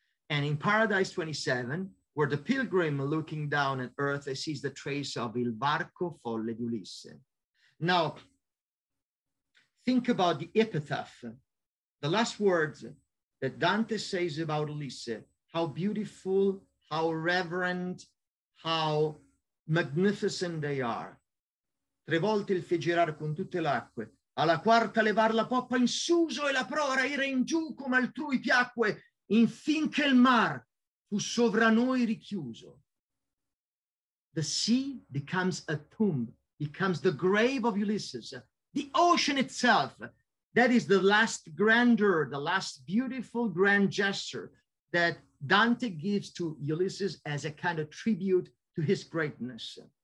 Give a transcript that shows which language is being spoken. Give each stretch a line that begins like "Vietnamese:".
English: And in Paradise 27, where the pilgrim looking down at earth sees the trace of
Italian: Il Barco Folle di Ulisse.
English: Now, think about the epitaph, the last words that Dante says about Ulisse, how beautiful, how reverent, how magnificent they are.
Italian: Tre volte il fe girar con tutte l'acque, alla quarta levar la poppa in suso e la proa raire in giù come altrui piacque, infinché il mar fu sovra noi richiuso.
English: The sea becomes a tomb, becomes the grave of Ulysses. The ocean itself, that is the last grandeur, the last beautiful grand gesture that Dante gives to Ulysses as a kind of tribute to his greatness.